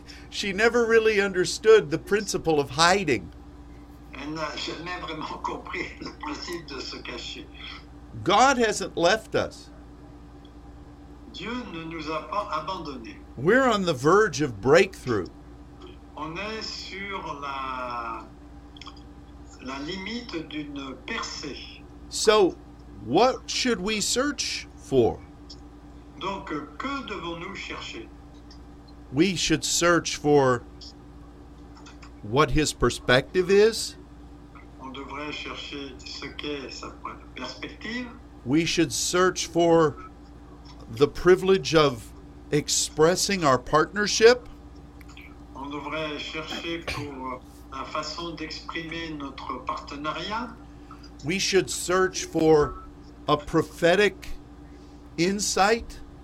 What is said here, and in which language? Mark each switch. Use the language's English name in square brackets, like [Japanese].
[English] She never really understood the principle of hiding. [French] Je n'ai vraiment compris le principe de se cacher. [English] God hasn't left us. [French] Dieu ne nous a pas abandonnés. [English] We're on the verge of breakthrough. [French] On est sur la limite d'une percée. [English] So, what should we search for? [French] Donc, que devons-nous chercher? [English] We should search for what his perspective is. [French] On devrait chercher ce qu'est sa perspective. [English] We should search for the privilege of expressing our partnership. [French] On devrait chercher pour la façon d'exprimer notre partenariat. [English] We should search for a prophetic insight.